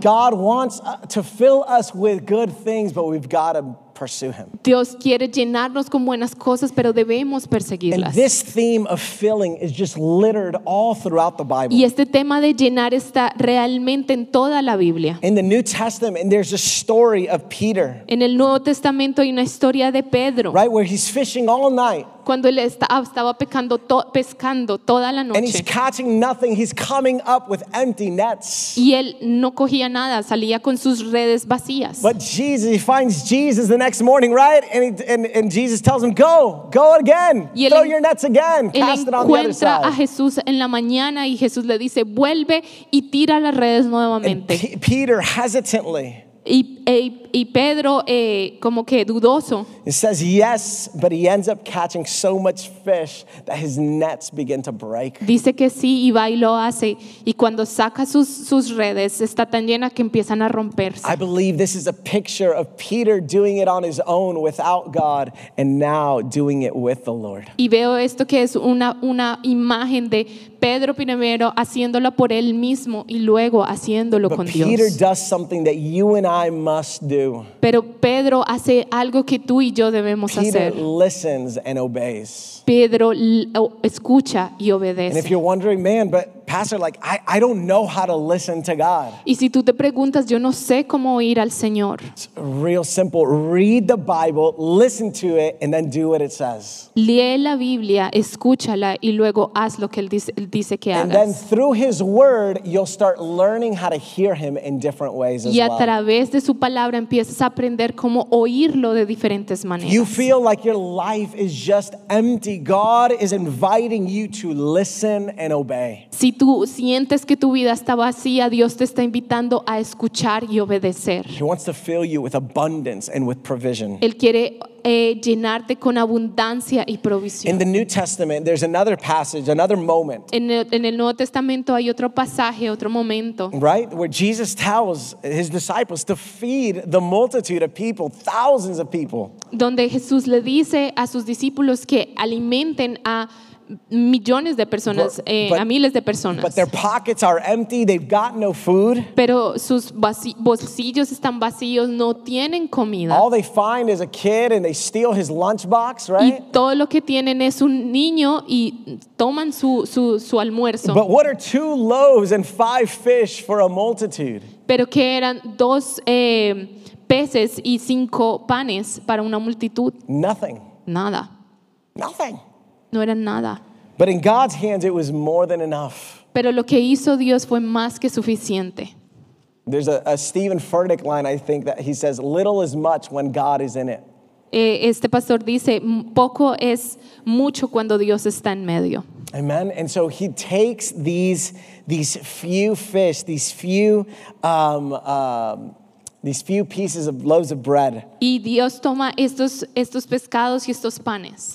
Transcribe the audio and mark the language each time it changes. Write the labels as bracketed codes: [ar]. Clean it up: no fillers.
[en] God wants to fill us with good things, but we've got to pursue Him. [es] Dios quiere llenarnos con buenas cosas, pero debemos perseguirlas. [en] And this theme of filling is just littered all throughout the Bible. [es] Y este tema de llenar está realmente en toda la Biblia. [en] In the New Testament, there's a story of Peter. [es] En el Nuevo Testamento hay una historia de Pedro. [en] Right where he's fishing all night. [es] Cuando él estaba pescando toda la noche. [en] And he's catching nothing. He's coming up with empty nets. [es] Y él no cogía nada. Salía con sus redes vacías. [en] But Jesus, he finds Jesus the next morning, right? And and Jesus tells him, go again. Throw your nets again. Cast it on the other side. [es] Él encuentra a Jesús en la mañana y Jesús le dice, vuelve y tira las redes nuevamente. [en] And Peter hesitantly. [es] Y Pedro como que dudoso. [en] It says yes, but he ends up catching so much fish that his nets begin to break. [es] Dice que sí y va y lo hace y cuando saca sus redes está tan llena que empiezan a romperse. [en] I believe this is a picture of Peter doing it on his own without God and now doing it with the Lord. [es] Y veo esto que es una imagen de Pedro primero haciéndolo por él mismo y luego haciéndolo [en] but [es] con [en] Peter [es] Dios. [en] Peter does something that you and I must do. [es] Pero Pedro hace algo que tú y yo debemos [en] Peter [es] hacer. [en] Listens and obeys. [es] Pedro escucha y obedece. [en] And if you're wondering, man, but pastor, like I don't know how to listen to God. [es] Y si tú te preguntas, yo no sé cómo oír al Señor. [en] It's real simple. Read the Bible, listen to it, and then do what it says. [es] Lee la Biblia, escúchala, y luego haz lo que él dice que hagas. [en] And then through His Word, you'll start learning how to hear Him in different ways as well. [es] Y a través de su palabra empiezas a aprender cómo oírlo de diferentes maneras. [en] You feel like your life is just empty. God is inviting you to listen and obey. [es] Si tú sientes que tu vida está vacía, Dios te está invitando a escuchar y obedecer. [en] He wants to fill you with abundance and with provision. [es] Él quiere llenarte con abundancia y provisión. [en] In the New Testament, there's another passage, another moment. [es] En el Nuevo Testamento hay otro pasaje, otro momento. [en] Right? Where Jesus tells His disciples to feed the multitude of people, thousands of people. [es] Donde Jesús le dice a sus discípulos que alimenten a millones de personas, a miles de personas. [en] But their pockets are empty, they've got no food. [es] Pero sus bolsillos están vacíos, no tienen comida. [en] All they find is a kid and they steal his lunchbox, right? [es] Y todo lo que tienen es un niño y toman su almuerzo. [en] But what are two loaves and five fish for a multitude? [es] Pero que eran dos peces y cinco panes para una multitud. [en] Nothing. [es] Nada. [en] Nothing. [es] No era nada. [en] But in God's hands, it was more than enough. [es] Pero lo que hizo Dios fue más que suficiente. [en] There's a Stephen Furtick line, I think, that he says, little is much when God is in it. [es] Este pastor dice, poco es mucho cuando Dios está en medio. [en] Amen. And so he takes these few fish, these few pieces of loaves of bread. [es] Y Dios toma estos pescados y estos panes.